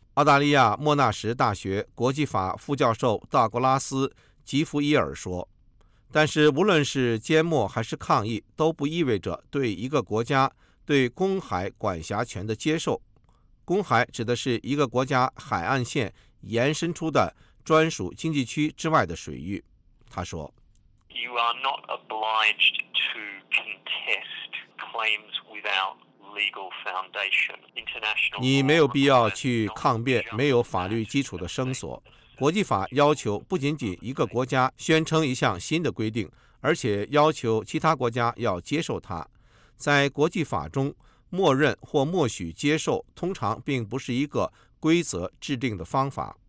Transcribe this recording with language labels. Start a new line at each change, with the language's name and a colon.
Chinese: 澳大利亚莫纳什大学国际法副教授道格拉斯·吉弗伊尔说，但是无论是缄默还是抗议，都不意味着对一个国家对公海管辖权的接受。公海指的是一个国家海岸线延伸出的专属经济区之外的水域。他说，
English: You are not obliged to contest claims without legal foundation.
Chinese: 你没有必要去抗辩没有法律基础的声索。国际法要求不仅仅一个国家宣称一项新的规定，而且要求其他国家要接受它。在国际法中，默认或默许接受通常并不是一个规则制定的方法。